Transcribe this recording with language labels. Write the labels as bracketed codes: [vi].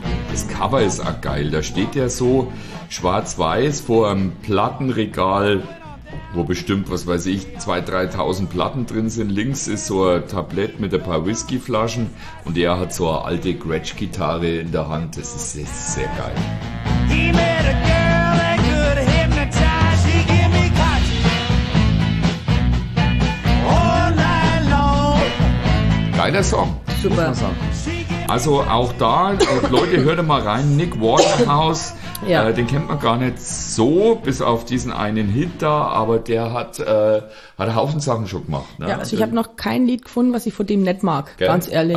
[de] Das Cover ist auch geil. Da steht der so schwarz-weiß vor einem Plattenregal, wo bestimmt, was weiß ich, 2.000-3.000 Platten drin sind. Links ist so ein Tablett mit ein paar Whiskyflaschen und er hat so eine alte Gretsch-Gitarre in der Hand. Das ist sehr, sehr geil. [en] He met a girl that could hypnotize. She gave me cotton all night long. [de] Geiler Song. Super Song. Also auch da, Leute, hört mal rein. Nick Waterhouse. Ja. Den kennt man gar nicht so, bis auf diesen einen Hit da, aber der hat einen Haufen Sachen schon gemacht. Ne? Ja, also ich habe noch kein Lied gefunden, was ich von dem nicht mag, gell? Ganz ehrlich.